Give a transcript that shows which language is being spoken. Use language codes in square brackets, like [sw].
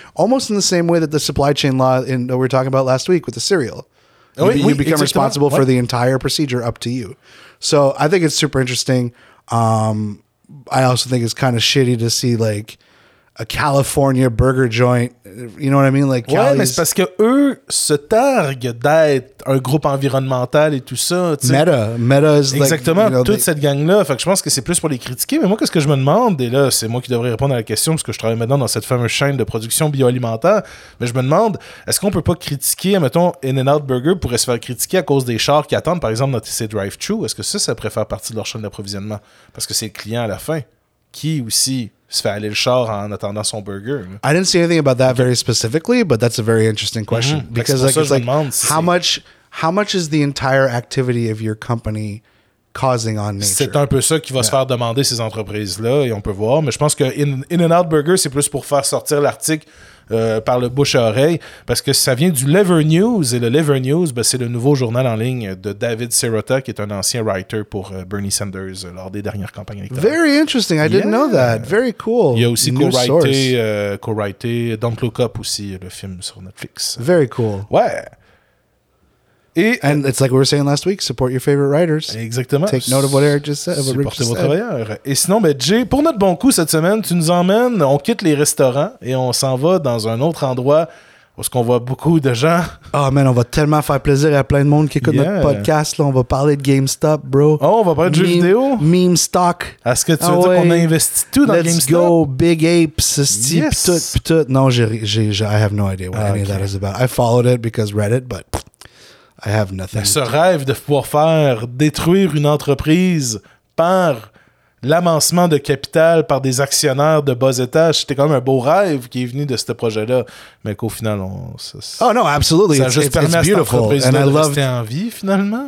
[en] Almost in the same way that the supply chain law that we were talking about last week with the cereal. You become responsible for the entire procedure up to you. So I think it's super interesting. I also think it's kind of shitty to see like, a California burger joint, you know what I mean? Like, [fr] ouais, mais c'est parce que eux se targuent d'être un groupe environnemental et tout ça. T'sais. [en] Meta is [fr] exactement, [en] like... [fr] Exactement, [en] you know, [fr] toute cette gang-là. Fait que je pense que c'est plus pour les critiquer. Mais moi, qu'est-ce que je me demande, et là, c'est moi qui devrais répondre à la question parce que je travaille maintenant dans cette fameuse chaîne de production bioalimentaire, mais je me demande, est-ce qu'on peut pas critiquer, mettons, In-N-Out Burger pourrait se faire critiquer à cause des chars qui attendent, par exemple, dans TC Drive-Thru? Est-ce que ça pourrait faire partie de leur chaîne d'approvisionnement? Parce que c'est le client à la fin qui aussi... se fait aller le char en attendant son burger. [en] I didn't see anything about that very specifically, but that's a very interesting question. Mm-hmm. Because like, how much is the entire activity of your company causing on nature? [fr] C'est un peu ça qui va se faire demander ces entreprises-là, et on peut voir. Mais je pense que In-N-Out Burger, c'est plus pour faire sortir l'article par le bouche-à-oreille, parce que ça vient du Lever News, et le Lever News, ben, c'est le nouveau journal en ligne de David Sirota, qui est un ancien writer pour Bernie Sanders lors des dernières campagnes électorales. [en] Very interesting, I didn't know that. Very cool. [fr] Il y a aussi co-writé Don't Look Up aussi, le film sur Netflix. [en] Very cool. [fr] Ouais. [en] And it's like we were saying last week, support your favorite writers. [fr] Exactement. [en] Take note of what Eric just said. [fr] Supportez vos travailleurs. Et sinon, mais Jay, pour notre bon coup cette semaine, tu nous emmènes, on quitte les restaurants et on s'en va dans un autre endroit où ce qu'on voit beaucoup de gens. Oh man, on va tellement faire plaisir à plein de monde qui écoute notre podcast. Là, on va parler de GameStop, bro. Oh, on va parler de jeux vidéo. Meme stock. Est-ce que tu veux dire qu'on a investi tout dans GameStop? [en] Let's go, Big Ape, Sisti, [fr] pis tout. [en] Non, I have no idea what any of that is about. I followed it because Reddit, but... I have nothing. [fr] Ce rêve de pouvoir faire détruire une entreprise par l'amassement de capital par des actionnaires de bas étage, c'était quand même un beau rêve qui est venu de ce projet-là, mais qu'au final, [en] absolutely. [fr] Ça a juste permis à cette entreprise de rester en vie, finalement.